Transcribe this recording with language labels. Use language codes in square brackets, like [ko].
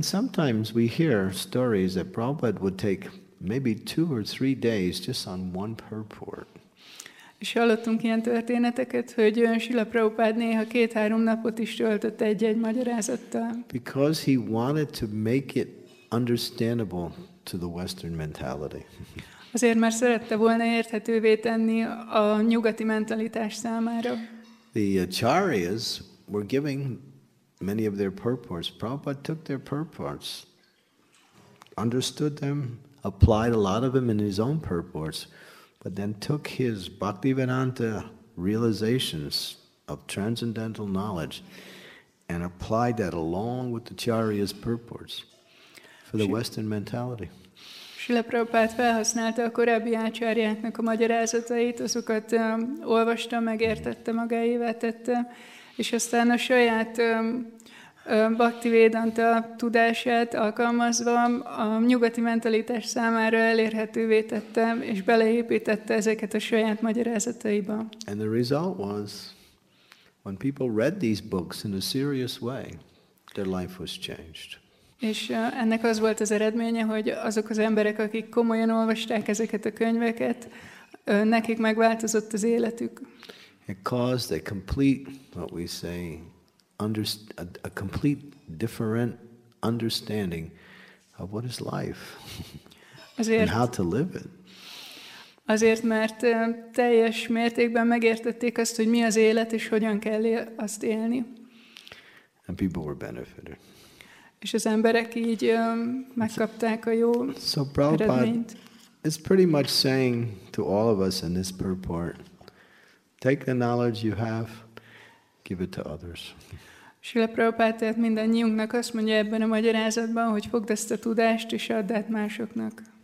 [en] And sometimes we hear stories that Prabhupada would take maybe 2 or 3 days just on one purport. [hu] És hallottunk ilyen történeteket, hogy Srila Prabhupada néha 2-3 napot is töltött egy-egy magyarázattal. [en] Because he wanted to make it understandable to the Western mentality. [hu] Azért, mert szerette volna érthetővé tenni a nyugati mentalitás számára. [en] The acharyas were giving many of their purports. Prabhupada took their purports, understood them, applied a lot of them in his own purports, but then took his Bhaktivedanta realizations of transcendental knowledge and applied that along with the acharyas purports for the Western mentality. [hu] Srila Prabhupada felhasználta a korábbi ácsárjáknak a magyarázatait, azokat olvasta, megértette, magáévá tette, és aztán a saját Bhaktivedanta tudását alkalmazva a nyugati mentalitás számára elérhetővé tette, és beleépítette ezeket a saját magyarázataiba. [en] And the result was, when people read these books in a serious way, their life was changed. [hu] És ennek az volt az eredménye, hogy azok az emberek, akik komolyan olvasták ezeket a könyveket, nekik megváltozott az életük. [en] It caused a complete, what we say, a complete different understanding of what is life [hu] azért, [en] and how to live it. [hu] Azért, mert teljes mértékben megértették azt, hogy mi az élet és hogyan kell azt élni. [en] And people were benefited. [hu] És az emberek így megkapták a jó so eredményt. [en] It's pretty much saying to all of us in this purport, take the knowledge you have, give it to others. [hu] Srila Prabhupada tehát mindannyiunknak azt mondja ebben a magyarázatban, hogy fogd ezt a tudást és add át másoknak.